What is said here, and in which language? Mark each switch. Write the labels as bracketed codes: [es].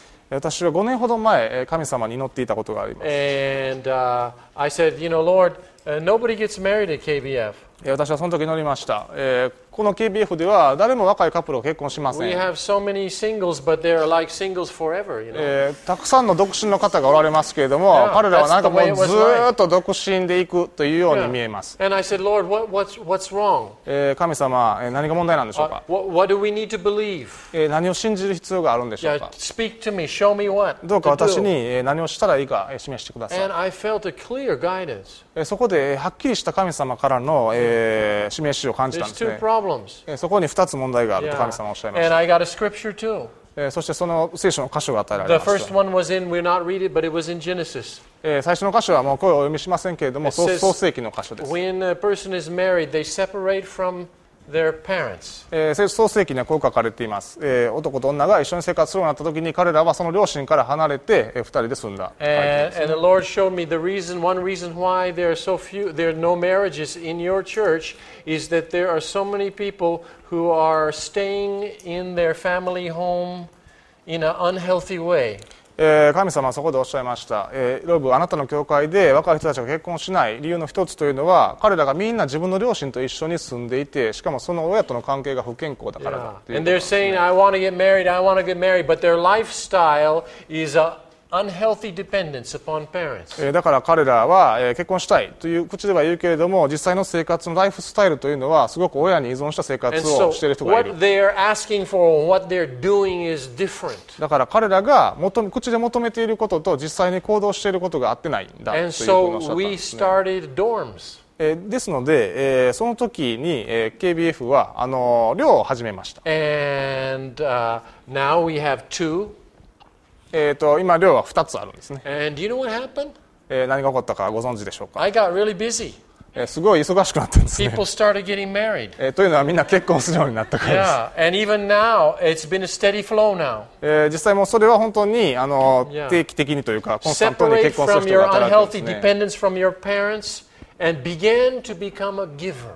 [ja] 私は5年ほど前、神様に祈っていたことがあります。 [en] And, I said, you know, Lord, nobody gets married at KBF. [ja] 私はその時祈りました。この KBF では誰も若いカップルを結婚しません。 [en] We have so many singles, but they're like singles forever, you know. [ja] たくさんの独身の方がおられますけれども、彼らはなんかもうずっと独身でいくというように見えます。 [en] And I said, Lord, what's wrong? [ja] 神様、何が問題なんでしょうか。 [en] What do we need to believe? [ja] 何を信じる必要があるんでしょうか。 [en] Speak to me, show me what. [ja] どうか私に何をしたらいいか示してください。 [en] And I felt a clear guidance. [ja] そこではっきりした神様からの、示しを感じたんですね。そこに2つ問題があると神様はおっしゃいました。 [en] And I got a scripture too. [ja] そしてその聖書の箇所が与えられました。 [en] The first one was in, we'll not read it, but it was in Genesis. [ja] 最初の箇所はもう声をお読みしませんけれども、創世記の箇所です。 [en] When a person is married, they separate from their parents. [ja] 創世記にはこう書かれています。男と女が一緒に生活するようになった時に彼らはその両親から離れて二人で住んだ。 [en] And the Lord showed me the reason, one reason why there are so few, there are no marriages in your church, is that there are so many people who are staying in their family home in an unhealthy way. [ja] 神様はそこでおっしゃいました。ロブ、あなたの教会で若い人たちが結婚しない理由の一つというのは、彼らがみんな自分の両親と一緒に住んでいて、しかもその親との関係が不健康だからだ。 [en] And they're saying, I want to get married, I want to get married, but their lifestyle is a unhealthy dependence upon parents. [ja] だから彼らは結婚したいという口では言うけれども、実際の生活のライフスタイルというのは、すごく親に依存した生活をしている人がいる。 [en] And so, what they're asking for, what they're doing is different. [ja] だから彼らが口で求めていることと実際に行動していることが合ってないんだ。 [en] And so, we started dorms. [ja] ですので、その時に、KBF は寮を始めました。 [en] And now we have two. [ja] 今寮は2つあるんですね。 [en] And do you know what happened? [ja] 何が起こったかご存知でしょうか。 [en] I got really busy. [ja] すごい忙しくなったんですね。 [en] People started getting married. [ja] というのはみんな結婚するようになったからです。 [en] Yeah. And even now, it's been a steady flow now. [ja] 実際もそれは本当に定期的にというか、コンスタントに結婚する人が働くんですね。 [en] Separate from your unhealthy dependence from your parents and begin to become a giver.